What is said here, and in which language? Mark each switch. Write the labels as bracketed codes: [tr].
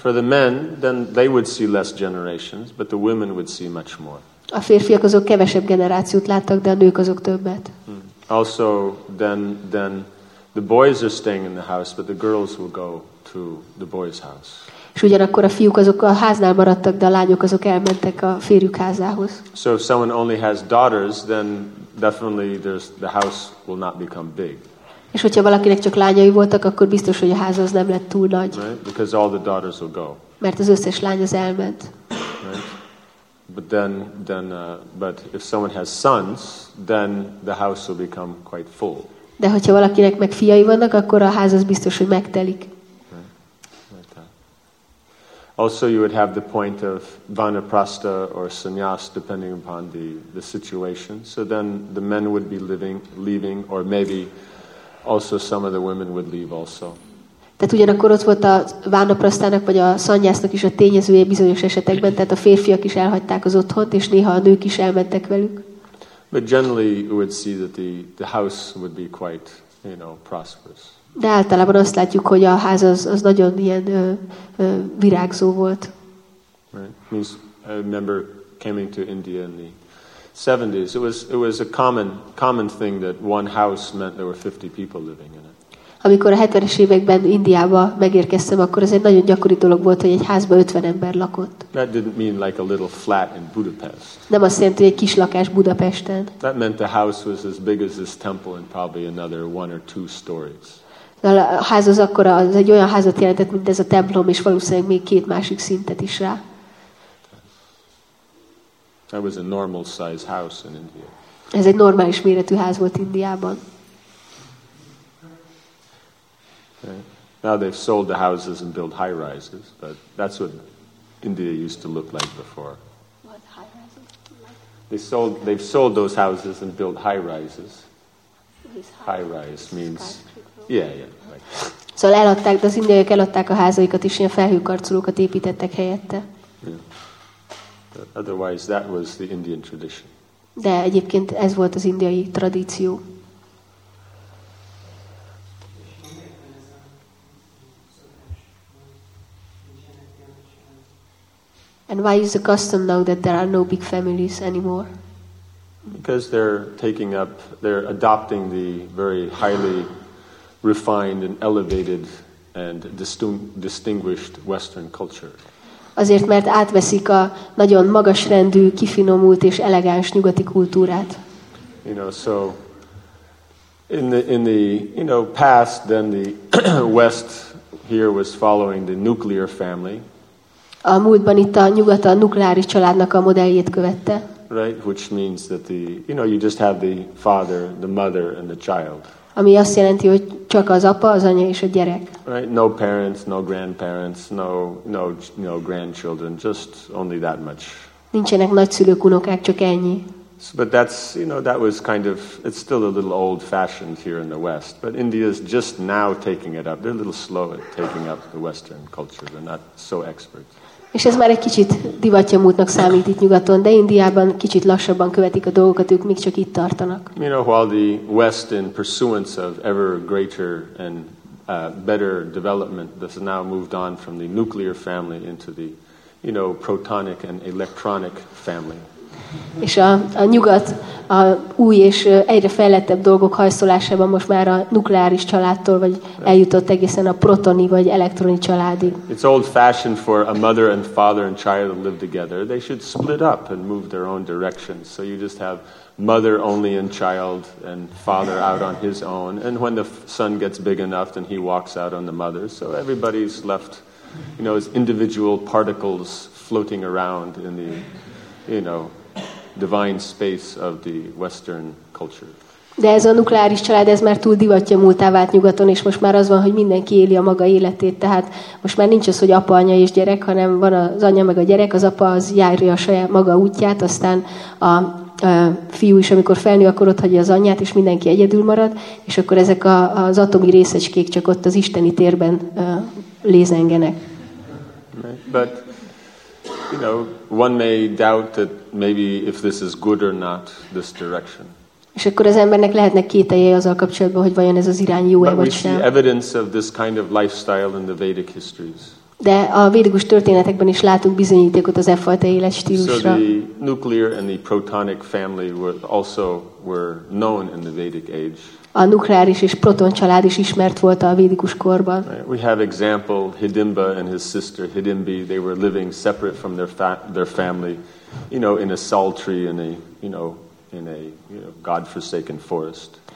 [en] For the men, then they would see less generations, but the women would see much more. [hu] A férfiak azok kevesebb generációt láttak, de a nők azok többet. [en] Also, then the boys are staying in the house, but the girls will go to the boys' house. [hu] És ugyanakkor a fiúk azok a háznál maradtak, de a lányok azok elmentek a férjük házához. [en] So if someone only has daughters, then definitely the house will not become big. [hu] És hogyha valakinek csak lányai voltak, akkor biztos, hogy a ház az nem lett túl nagy. [en] Right? Because all the daughters will go. [hu] Mert az összes lány az elment. [en] Right? But if someone has sons, then the house will become quite full. [hu] De hogyha valakinek meg fiai vannak, akkor a ház az biztos, hogy megtelik. [en] Also, you would have the point of vanaprastha or sannyas, depending upon the situation. So then the men would be leaving, or maybe also some of the women would leave also. [hu] Tehát ugyanakkor ott volt a vánaprasztának vagy a szanyásznak is a tényezője bizonyos esetekben, tehát a férfiak is elhagyták az otthont, és néha a nők is elmentek velük. [en] But generally you would see that the house would be quite, you know, prosperous. [hu] De általában azt látjuk, hogy a ház az nagyon ilyen virágzó volt. [en] Right. Means I remember coming to India in the 70s. It was a common thing that one house meant there were 50 people living in it. [hu] Amikor a 70-es években Indiába megérkeztem, akkor ez egy nagyon gyakori dolog volt, hogy egy házban 50 ember lakott. [en] That didn't mean like a little flat in Budapest. [hu] Nem azt jelenti, hogy egy kis lakás Budapesten. [en] That meant the house was as big as this temple and probably another one or two stories. [hu] A ház az akkora, az egy olyan házat jelentett, mint ez a templom, és valószínűleg még két másik szintet is rá. [en] That was a normal size house in India. [hu] Ez egy normális méretű ház volt Indiában. [en] Now they've sold the houses and built high rises, but that's what India used to look like before. What high rises? They've sold those houses and built high rises. High rise means yeah. [hu] Szóval eladták, az indiaiak eladták a házaikat és ilyen felhőkarcolókat építettek helyette. [en] But otherwise, that was the Indian tradition. [hu] De egyébként ez volt az indiai tradíció. [en] And why is the custom now that there are no big families anymore? Because they're adopting the very highly refined and elevated and distinguished Western culture. [hu] Azért, mert átveszik a nagyon magasrendű, kifinomult és elegáns nyugati kultúrát. [en] You know, so in the past, then the West here was following the nuclear family. [hu] A múltban itt a nyugat a nukleáris családnak a modelljét követte. [en] Right, which means that you just have the father, the mother and the child. [hu] Ami azt jelenti, hogy csak az apa, az anya és a gyerek. [en] Right, no parents, no grandparents, no grandchildren, just only that much. [hu] Nincsenek nagyszülők, unokák, csak ennyi. [en] So, but that's, you know, that was kind of, it's still a little old fashioned here in the West, but India is just now taking it up. They're a little slow at taking up the Western culture. They're not so expert. [hu] És ez már egy kicsit divatja múltnak számít itt nyugaton, de Indiában kicsit lassabban követik a dolgokat, ők még csak itt tartanak. [en] You know, while the West, in pursuance of ever greater and better development, has now moved on from the nuclear family into the, you know, protonic and electronic family. [hu] És a nyugat a új és egyre fejlettebb dolgok hajszolásában most már a nukleáris családtól vagy eljutott egészen a protoni vagy elektroni családig. [en] It's old fashioned for a mother and father and child to live together. They should split up and move their own directions. So you just have mother only and child and father out on his own. And when the son gets big enough, then he walks out on the mother. So everybody's left, you know, as individual particles floating around in the, you know, divine space of the Western culture. [hu] De ez a nukleáris család, ez már túl divatja múltá vált nyugaton, és most már az van, hogy mindenki éli a maga életét, tehát most már nincs az, hogy apa, anya és gyerek, hanem van az anya meg a gyerek, az apa az járja a saját maga útját, aztán a fiú is, amikor felnő, akkor ott hagyja az anyját, és mindenki egyedül marad, és akkor ezek az atomi részecskék csak ott az isteni térben lézengenek. [en] But you know, one may doubt that maybe if this is good or not, this direction. [hu] És akkor az embernek lehetnek kételjei azzal kapcsolatban, hogy vajon ez az irány jó-e vagy sem. [en] But we see evidence of this kind of lifestyle in the Vedic histories. [hu] De a védikus történetekben is látunk bizonyítékot az e fajta életstílusra. [en] So the nuclear and the protonic family were also known in the Vedic age. [hu] A nukleáris és proton család is ismert volt a védikus korban. [en] Right. We have example Hidimba and his sister Hidimbi. They were living separate from their family, you know, in a sal tree in a, you know, in a, you know, godforsaken forest.